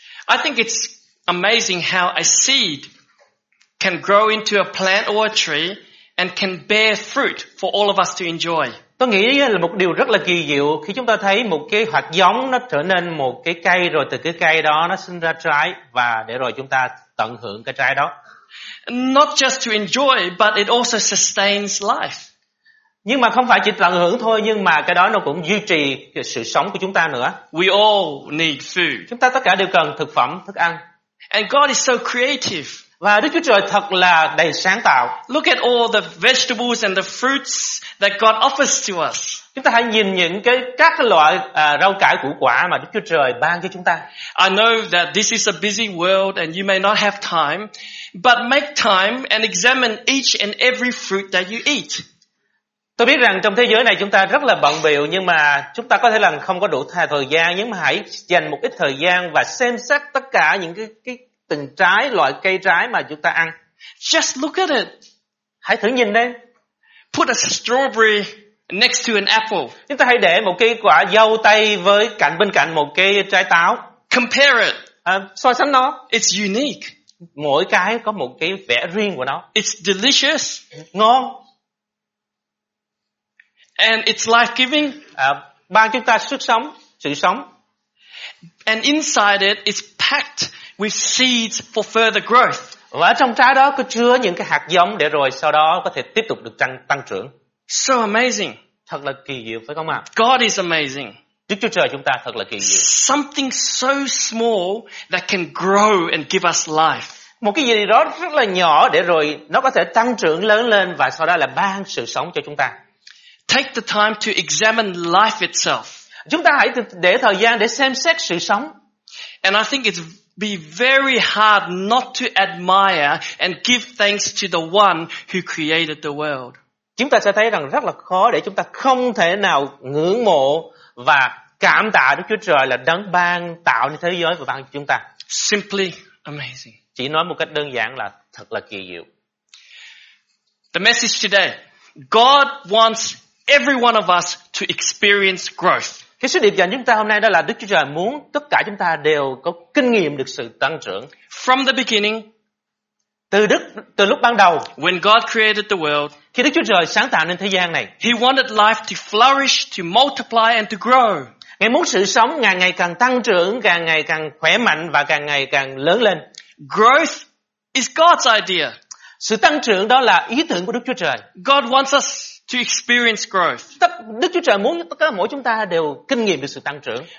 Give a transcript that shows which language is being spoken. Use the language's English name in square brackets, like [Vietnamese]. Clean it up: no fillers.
[English] I think it's amazing how a seed can grow into a plant or a tree and can bear fruit for all of us to enjoy. [Vietnamese] Tôi nghĩ là một điều rất là kỳ diệu khi chúng ta thấy một cái hạt giống nó trở nên một cái cây rồi từ cái cây đó nó sinh ra trái và để rồi chúng ta tận hưởng cái trái đó. [English] Not just to enjoy, but it also sustains life. [Vietnamese] Nhưng mà không phải chỉ tận hưởng thôi, nhưng mà cái đó nó cũng duy trì sự sống của chúng ta nữa. [English] We all need food. [Vietnamese] Chúng ta tất cả đều cần thực phẩm, thức ăn. [English] And God is so creative. [Vietnamese] Và Đức Chúa Trời thật là đầy sáng tạo. [English] Look at all the vegetables and the fruits that God offers to us. [Vietnamese] Chúng ta hãy nhìn những cái các loại rau cải củ quả mà Đức Chúa Trời ban cho chúng ta. [English] I know that this is a busy world and you may not have time, but make time and examine each and every fruit that you eat. [Vietnamese] Tôi biết rằng trong thế giới này chúng ta rất là bận biểu nhưng mà chúng ta có thể là không có đủ thời gian, nhưng mà hãy dành một ít thời gian và xem xét tất cả những cái từng trái, loại cây trái mà chúng ta ăn. [English] Just look at it. [Vietnamese] Hãy thử nhìn đi. [English] Put a strawberry next to an apple. [Vietnamese] Chúng ta hãy để một cái quả dâu tây với cạnh bên cạnh một cái trái táo. [English] Compare it. [Vietnamese] So sánh nó. [English] It's unique. [Vietnamese] Mỗi cái có một cái vẻ riêng của nó. [English] It's delicious. [Vietnamese] Ngon. [English] And it's life-giving. [Vietnamese] Ban chúng ta sức sống, sự sống. [English] And inside it is packed with seeds for further growth. [Vietnamese] Và trong trái đó có chứa những cái hạt giống để rồi sau đó có thể tiếp tục được tăng trưởng. [English] So amazing. [Vietnamese] Thật là kỳ diệu phải không ạ? [English] God is amazing. [Vietnamese] Đức Chúa Trời chúng ta thật là kỳ diệu. [English] Something so small that can grow and give us life. [Vietnamese] Một cái gì đó rất là nhỏ để rồi nó có thể tăng trưởng lớn lên và sau đó là ban sự sống cho chúng ta. [English] Take the time to examine life itself. [Vietnamese] Chúng ta hãy để thời gian để xem xét sự sống. [English] And I think it'd be very hard not to admire and give thanks to the one who created the world. [Vietnamese] Chúng ta sẽ thấy rằng rất là khó để chúng ta không thể nào ngưỡng mộ và cảm tạ Đức Chúa Trời là đấng ban tạo nên thế giới và ban cho chúng ta. [English] Simply amazing. [Vietnamese] Chỉ nói một cách đơn giản là thật là kỳ diệu. [English] The message today, God wants every one of us to experience growth. [Vietnamese] Cái sứ điệp dành chúng ta hôm nay đó là Đức Chúa Trời muốn tất cả chúng ta đều có kinh nghiệm được sự tăng trưởng. [English] From the beginning, [Vietnamese] từ lúc ban đầu, [English] when God created the world, [Vietnamese] khi Đức Chúa Trời sáng tạo nên thế gian này, [English] He wanted life to flourish, to multiply and to grow. [Vietnamese] Ngài muốn sự sống càng ngày càng tăng trưởng, càng ngày càng khỏe mạnh và càng ngày càng lớn lên. [English] Growth is God's idea. [Vietnamese] Sự tăng trưởng đó là ý tưởng của Đức Chúa Trời. [English] God wants us to experience growth. [Vietnamese] Đức Chúa Trời muốn tất cả mỗi chúng ta đều kinh nghiệm được sự tăng trưởng.